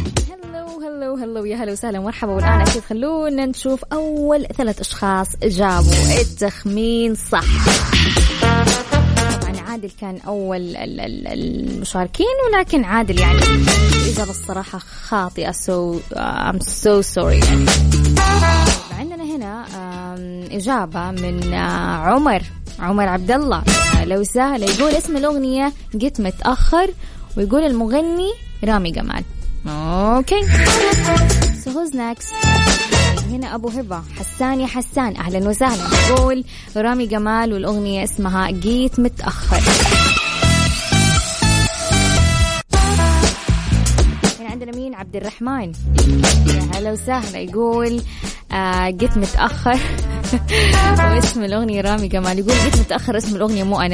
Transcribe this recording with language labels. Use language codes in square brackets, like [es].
[ar] هلو هلو هلو يا هلو وسهلا مرحبا. والآن أكيد خلونا نشوف أول ثلاث أشخاص جابوا التخمين صح. طبعا عادل كان أول المشاركين, ولكن عادل يعني إجابة الصراحة خاطئة. [en] I'm so sorry يعني. [ar] عندنا هنا إجابة من عمر عبد الله لو سهل, يقول اسم الأغنية جيت متأخر, ويقول المغني رامي جمال. [en] Okay so who's next. [ar] هنا أبو هبة حسان, يا حسان أهلا وسهلا, يقول رامي جمال والأغنية اسمها جيت متأخر. هنا عندنا مين, عبد الرحمن أهلا وسهلا, يقول جيت متأخر واسم الأغنية رامي جمال, يقول جيت متأخر اسم الأغنية مو أنا.